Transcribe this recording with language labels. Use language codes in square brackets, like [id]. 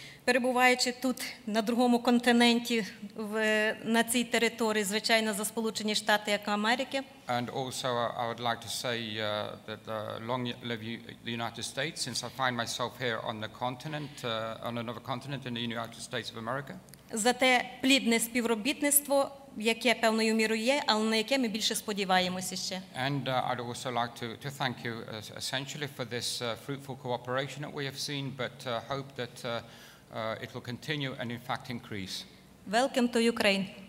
[uk] Перебуваючи тут на другому континенті в на цій території, звичайно, за Сполучені Штати Америки. [en] And also I would like to say that long live the United States since I find myself here on the continent on another continent in the United States of America. [uk] За те плідне співробітництво, яке певною мірою є, але на яке ми більше сподіваємося ще. [en] And I'd also like to thank you essentially for this fruitful cooperation that we have seen but hope that it will continue and in fact increase. Welcome to Ukraine.